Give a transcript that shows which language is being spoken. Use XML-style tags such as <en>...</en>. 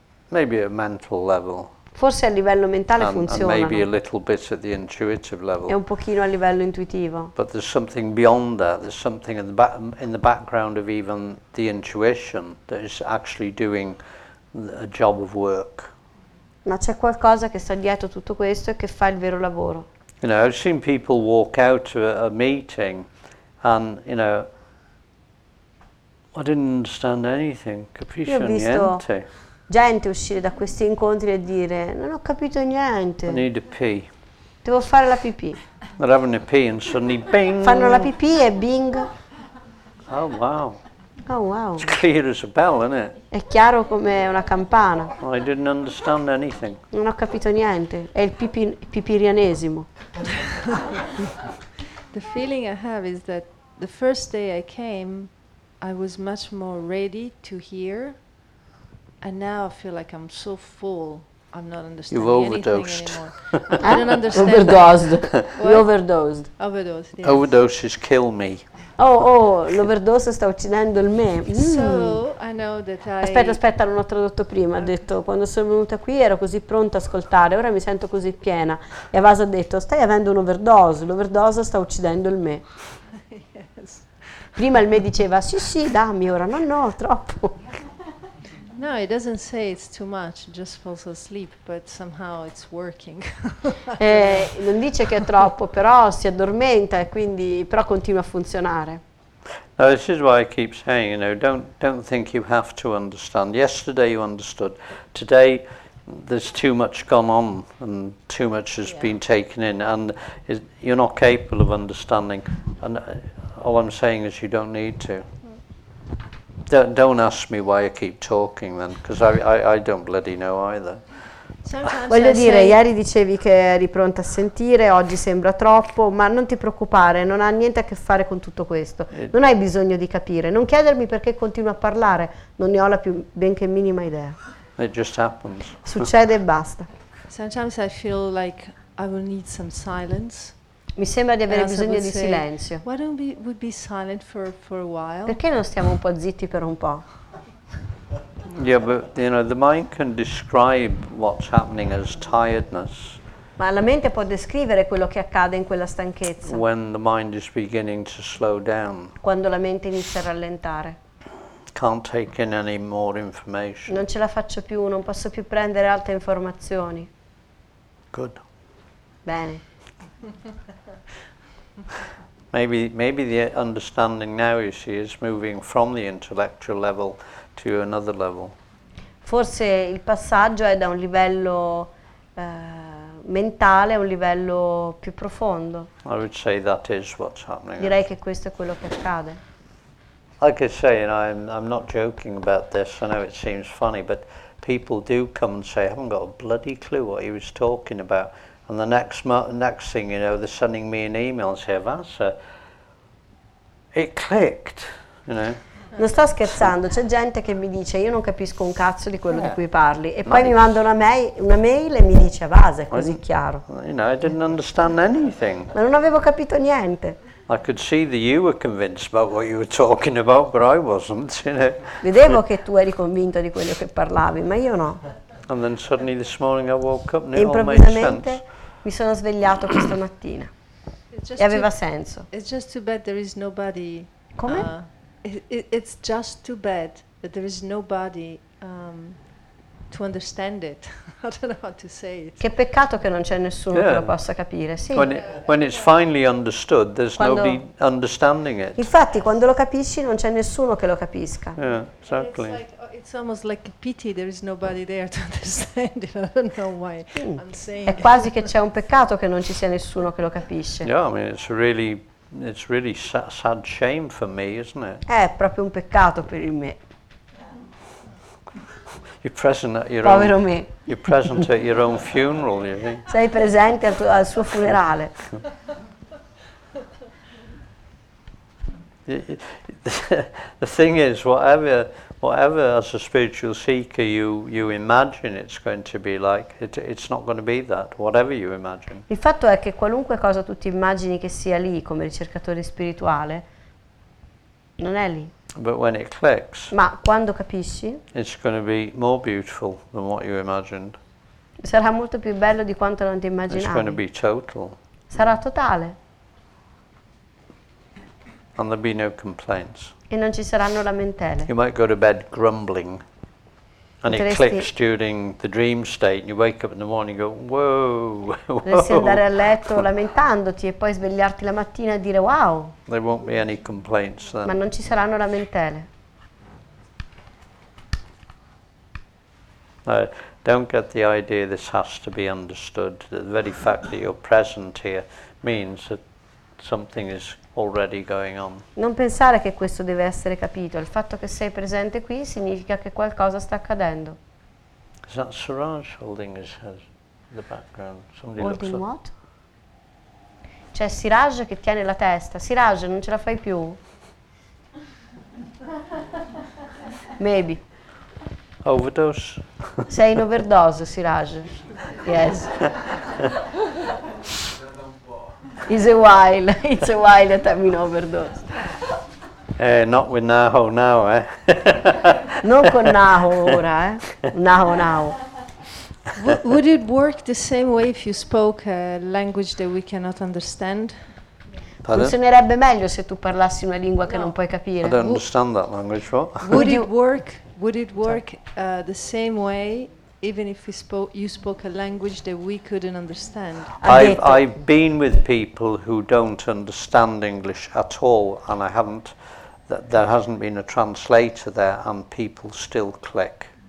<en>Maybe a mental level.</en> <it>Forse a livello mentale funziona.</it> <en>Maybe a little bit at the intuitive level.</en> <it>È un pochino a livello intuitivo.</it> <en>But there's something beyond that. There's something in the background of even the intuition that is actually doing a job of work.</en> <it>Ma c'è qualcosa che sta dietro tutto questo e che fa il vero lavoro.</it> <en>You know, I've seen people walk out to a meeting and, you know, I didn't understand anything.</en> <it>Capisci niente. Gente uscire da questi incontri e dire non ho capito niente.</it> <en>I need a pee.</en> <it>Devo fare la pipì.</it> <en>They're having a pee and suddenly bing.</en> <it>Fanno la pipì e bing.</it> <en>Oh wow. Oh wow. It's clear as a bell, isn't it?</en> <it>È chiaro come una campana.</it> <en>Well, I didn't understand anything.</en> <it>Non ho capito niente. È il pipirianesimo.</it> <en>The feeling I have is that the first day I came, I was much more ready to hear. And now I feel like I'm so full, I'm not understanding anything anymore. You've overdosed. I don't understand. Overdosed. You overdosed. Overdosed, yes. Overdoses kill me.</en> <it>Oh, l'overdose sta uccidendo il me. Aspetta, non ho tradotto prima. Ha detto, quando sono venuta qui ero così pronta a ascoltare, ora mi sento così piena. E Avasa ha detto, stai avendo un overdose, l'overdose sta uccidendo il me.</it> <en>Yes.</en> <it>Prima il me diceva, sì, dammi ora, no, troppo.</it> <en>No, it doesn't say it's too much, it just falls asleep, but somehow it's working.</en> <it>Non dice che è troppo, però si addormenta e quindi però continua a funzionare.</it> <en>Now this is why I keep saying, you know, don't think you have to understand. Yesterday you understood. Today there's too much gone on and too much has been taken in and you're not capable of understanding. And all I'm saying is you don't need to. Don't ask me why I keep talking then, because I don't bloody know either.</en> <it>Voglio dire, ieri dicevi che eri pronta a sentire, oggi sembra troppo, ma non ti preoccupare, non ha niente a che fare con tutto questo. Non hai bisogno di capire, non chiedermi perché continuo a parlare, non ne ho la più benché minima idea.</it> <en>It just happens.</en> <it>Succede e basta.</it> <en>Sometimes I feel like I will need some silence.</en> <it>Mi sembra di avere bisogno di silenzio.</it> <en>Why don't we be silent for a while?</en> <it>Perché non stiamo un po' zitti per un po'?</it> <en>Yeah, but you know, the mind can describe what's happening as tiredness.</en> <it>Ma la mente può descrivere quello che accade in quella stanchezza.</it> <en>When the mind is beginning to slow down.</en> <it>Quando la mente inizia a rallentare.</it> <en>Can't take in any more information.</en> <it>Non ce la faccio più, non posso più prendere altre informazioni.</it> <en>Good.</en> <it>Bene.</it> <en>maybe the understanding now, you see, is moving from the intellectual level to another level.</en> <it>Forse il passaggio è da un livello mentale a un livello più profondo.</it> <en>I would say that is what's happening.</en> <it>Direi che questo è quello che accade.</it> <en>Like I say, you know, I'm not joking about this. I know it seems funny, but people do come and say, "I haven't got a bloody clue what he was talking about." And the next thing you know, they're sending me an email and say, "Avasa, it clicked," you know.</en> <it>Non sto scherzando, c'è gente che mi dice, io non capisco un cazzo di quello di cui parli, e poi mi manda una mail e mi dice, "Avasa, è così chiaro."</it> <en>You know, I didn't understand anything.</en> <it>Ma non avevo capito niente.</it> <en>I could see that you were convinced about what you were talking about, but I wasn't, you know.</en> <it>Vedevo che tu eri convinto di quello che parlavi, ma io no.</it> <en>And then suddenly this morning I woke up and it</en> <it>improvvisamente mi sono svegliato questa mattina e aveva senso.</it> <en>It's just too bad there is nobody.</en> <it>Come?</it> <en>It's just too bad that there is nobody to understand it. I don't know how to say it.</en> <it>Che peccato che non c'è nessuno che lo possa capire. Sì.</it> <en>When it's finally understood, there's nobody understanding it.</en> <it>Infatti, quando lo capisci, non c'è nessuno che lo capisca.</it> <en>Yeah, exactly. It's almost like a pity there is nobody there to understand it. I don't know why I'm saying it.</en> <it>È quasi che c'è un peccato che non ci sia nessuno che lo capisce.</it> <en>Yeah, I mean, it's really sad shame for me, isn't it?</en> <it>È proprio un peccato per il me.</it> <en>You're present at your own funeral, you think?</en> <it>Sei presente al suo funerale.</it> <en>The thing is, whatever as a spiritual seeker you imagine it's going to be like, it's not going to be that, whatever you imagine.</en> <it>Il fatto è che qualunque cosa tu ti immagini che sia lì come ricercatore spirituale, non è lì.</it> <en>But when it clicks,</en> <it>ma quando capisci,</it> <en>it's going to be more beautiful than what you imagined.</en> <it>Sarà molto più bello di quanto non ti immaginavi.</it> <en>It's going to be total.</en> <it>Sarà totale.</it> <en>And there'll be no complaints.</en> <it>E non ci saranno lamentele.</it> <en>You might go to bed grumbling, and it clicks during the dream state, and you wake up in the morning and go, whoa.</en> <it>Potresti andare a letto lamentandoti e poi svegliarti la mattina e dire wow.</it> <en>There won't be any complaints then.</en> <it>Ma non ci saranno lamentele.</it> <en>No, don't get the idea this has to be understood. The very fact that you're present here means that something is already going on.</en> <it>Non pensare che questo deve essere capito. Il fatto che sei presente qui significa che qualcosa sta accadendo.</it> <en>Is that Siraj holding his head in the background? Somebody holding looks what?</en> <it>C'è Siraj che tiene la testa. Siraj, non ce la fai più?</it> <en>Maybe. overdose.</en> <it>Sei in overdose, Siraj.</it> <en>Yes. It's a while that I'm in overdose. Not with Naho now, eh?</en> <it>Non con Naho ora, eh? Naho now.</it> <en>Would it work the same way if you spoke a language that we cannot understand? Pardon?</en> <it>Funzionerebbe meglio se tu parlassi una lingua no. Che non puoi capire.</it> <en>I don't understand that language. What? Would it work the same way even if you spoke a language that we couldn't understand? I've been with people who don't understand English at all, and I haven't. There hasn't been a translator there, and people still click.</en>